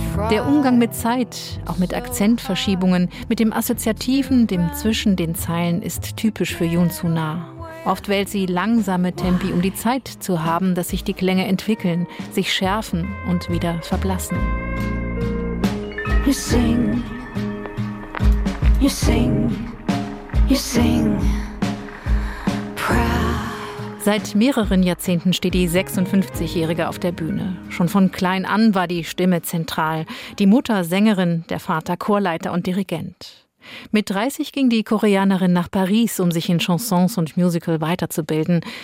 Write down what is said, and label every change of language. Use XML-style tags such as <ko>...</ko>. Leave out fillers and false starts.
<de>Der Umgang mit Zeit, auch mit Akzentverschiebungen, mit dem Assoziativen, dem zwischen den Zeilen, ist typisch für Yun Sun Na. Oft wählt sie langsame Tempi, um die Zeit zu haben, dass sich die Klänge entwickeln, sich schärfen und wieder verblassen.</de> <en>You sing, you sing, you sing.</en> <de>Seit mehreren Jahrzehnten steht die 56-Jährige auf der Bühne. Schon von klein an war die Stimme zentral. Die Mutter Sängerin, der Vater Chorleiter und Dirigent. Mit 30 ging die Koreanerin nach Paris, um sich in Chansons und Musical weiterzubilden.</de>